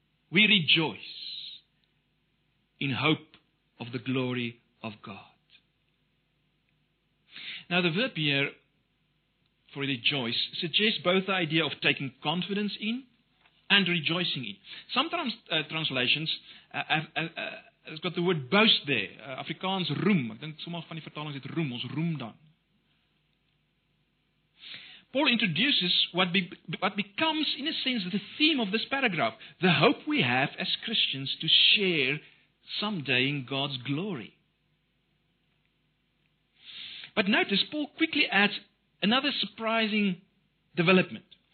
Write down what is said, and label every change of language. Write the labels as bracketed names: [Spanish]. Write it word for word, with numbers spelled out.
[English] We rejoice in hope of the glory of God. Now the verb here for rejoice suggests both the idea of taking confidence in and rejoicing in. Some trans, uh, translations uh, have, uh, uh, It's got the word boast there. Uh, Afrikaans roem. [Afrikaans] Ek dink sommige van die vertalings het roem, ons roem dan. [English] Paul introduces what, be, what becomes, in a sense, the theme of this paragraph. The hope we have as Christians to share someday in God's glory. But notice, Paul quickly adds another surprising development.